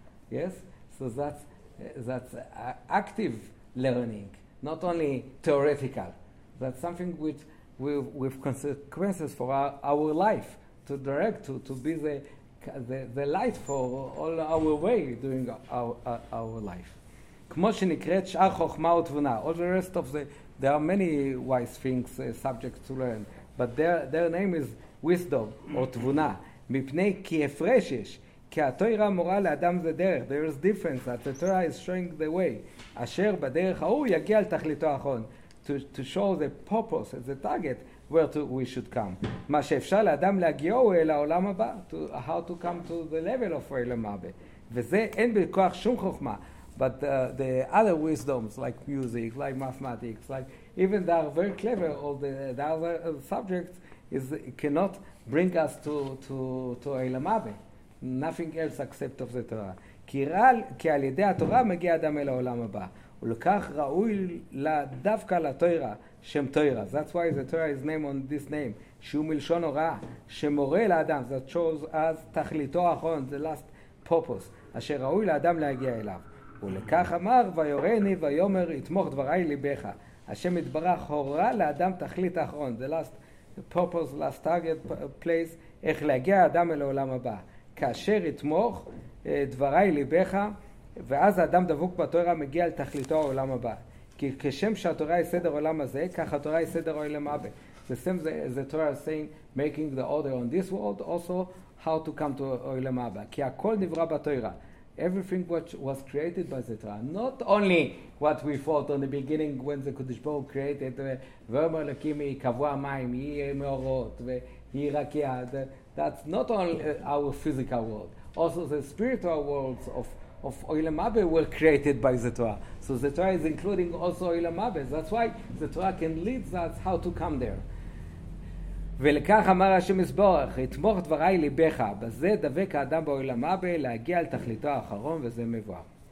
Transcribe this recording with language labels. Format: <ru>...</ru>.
<en>Yes, so that's active learning, not only theoretical. That's something which with consequences for our life, to direct to be the light for all our way during our life.</en> <he>כמו שנקראת שאר חוכמה ותבונה.</he> <en>All the rest of the, there are many wise things, subjects to learn, but their name is wisdom or tvuna.</en> <he>Mipnei ki efreshish, ki ha-toira mora le-adam ze derech.</he> <en>There is difference that the Torah is showing the way.</en> <he>Asher ba-derech ha-hu yagi al tachlito achon.</he> <en>To show the purpose, the target, where to, we should come.</en> <he>Ma she-efshar le-adam le-agiyo hu el ha-olam haba,</he> <en>to how to come to the level of olam haba.</en> <he>Ve-ze en be-kuach shum chokhma.</he> <en>But the other wisdoms, like music, like mathematics, like even they are very clever, all the other subjects, is cannot bring us to Eilam Abe. Nothing else except of the Torah.</en> <he>כי על ידי התורה מגיע אדם אל העולם הבא. ולכך ראוי דווקא לתוירה, שם תוירה.</he> <en>That's why the Torah is named on this name.</en> <he>שהוא מלשון הוראה, שמורה לאדם.</he> <en>That shows us</en> <he>תכליתו האחרון,</he> <en>the last purpose.</en> <he>אשר ראוי לאדם להגיע אליו. ולכך אמר ויורני ויומר יתמוך דבריי ליבך. השם יתברך הורה לאדם תכלית האחרון.</he> <en>The last purpose. The purpose, last target place,</en> <he>איך להגיע האדם אל העולם הבא. כאשר יתמוך דבריי ליבך, ואז האדם דבוק בתורה מגיע אל תכליתו העולם הבא. כי כשם שהתורה היא סדר העולם הזה, כך התורה היא סדר העולם הבא.</he> <en>The same as the Torah is saying, making the order on this world, also how to come to העולם הבא.</en> <he>כי הכל נברא בתורה.</he> <en>Everything which was created by the Torah, not only what we thought on the beginning when the Kodesh Baruch Hu created</en> <he>Vomer Elokim Kavu HaMayim Yihyeh Meorot Yihyeh Rakia,</he> <en>that's not only our physical world, also the spiritual worlds of Olam Haba were created by the Torah. So the Torah is including also Olam Haba. That's why the Torah can lead us how to come there.</en> <he>ולכך אמר השם יתברך, יתמוך דבריי ליבך, בזה דבק האדם בעולם הבא, להגיע אל תכליתו האחרון, וזה מבואר.</he>